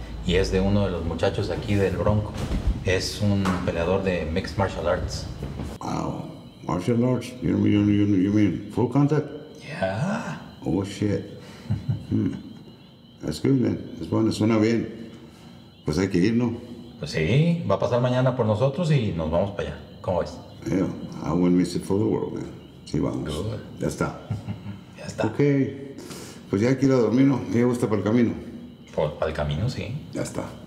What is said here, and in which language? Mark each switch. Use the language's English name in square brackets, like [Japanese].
[Spanish] Y es de uno de los muchachos aquí del Bronco. Es un peleador de Mixed Martial Arts. [English] Wow. Martial arts, you mean full contact? Yeah. Oh, shit. That's good, man. [Spanish] Es bueno, suena bien. Pues hay que ir, ¿no? Pues sí, va a pasar mañana por nosotros y nos vamos para allá. ¿Cómo ves? [English] Yeah, I wouldn't miss it for the world, man. [Spanish] Sí, vamos. [English] Good. [Spanish] Ya está. Ya está. Ok. Pues ya hay que ir a dormir, ¿no? Ya está para el camino. Pues para el camino, sí. Ya está.